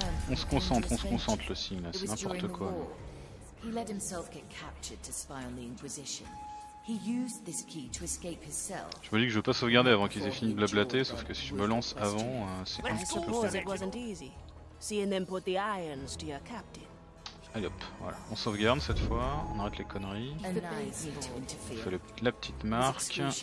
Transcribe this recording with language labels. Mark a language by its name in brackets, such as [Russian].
[French] On se concentre le signe là, c'est n'importe quoi. [English] He let himself get captured to spy on the Inquisition. He used this key to escape his cell. [French] Je me dis que je veux pas sauvegarder avant qu'ils aient fini de blablater, sauf que si je me lance avant, c'est quand même pas possible. [English] Seeing them put the irons to your captain. [French] Allez hop, voilà. On sauvegarde cette fois, on arrête les conneries. On fait la petite marque.